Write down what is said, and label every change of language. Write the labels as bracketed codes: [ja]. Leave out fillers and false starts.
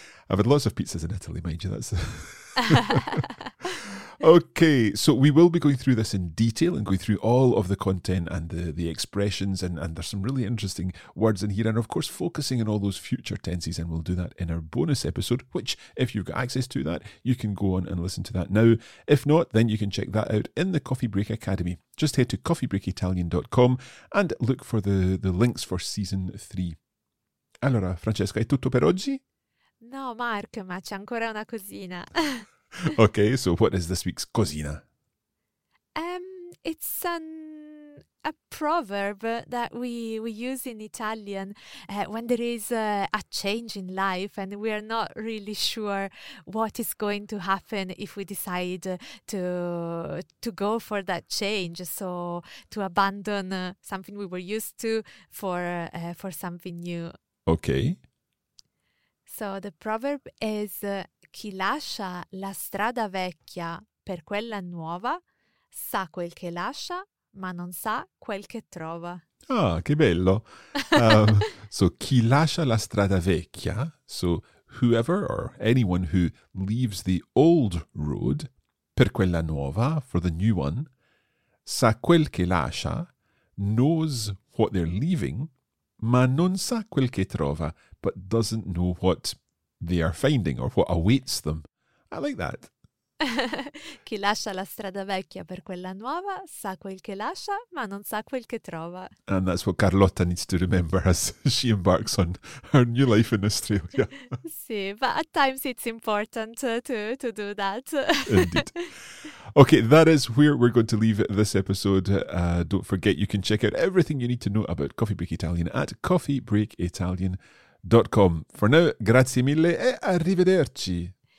[en] I've had lots of pizzas in Italy, mind you. That's okay, so we will be going through this in detail and going through all of the content and the expressions and there's some really interesting words in here and of course focusing on all those future tenses, and we'll do that in our bonus episode, which if you've got access to that, you can go on and listen to that now. If not, then you can check that out in the Coffee Break Academy. Just head to coffeebreakitalian.com and look for the links for season 3. [it] Allora, Francesca, è tutto per oggi? No, Mark, ma c'è ancora una cosina. [en] Okay, so what is this week's cosina? It's a proverb that we use in Italian when there is a change in life and we are not really sure what is going to happen if we decide to go for that change. So to abandon something we were used to for something new. Okay. So the proverb is [it] chi lascia la strada vecchia per quella nuova sa quel che lascia, ma non sa quel che trova. Ah, che bello. [en] So, [it] chi lascia la strada vecchia, [en] so whoever or anyone who leaves the old road [it] per quella nuova, [en] for the new one, [it] sa quel che lascia, [en] knows what they're leaving, [it] ma non sa quel che trova, [en] but doesn't know what they are finding or what awaits them. I like that. [it] Chi lascia la strada vecchia per quella nuova sa quel che lascia, ma non sa quel che trova. [en] And that's what Carlotta needs to remember as she embarks on her new life in Australia. Sì, but at times it's important to do that. Indeed. Okay, that is where we're going to leave this episode. Don't forget, you can check out everything you need to know about Coffee Break Italian at coffeebreakitalian.com. For now, [it] grazie mille e arrivederci.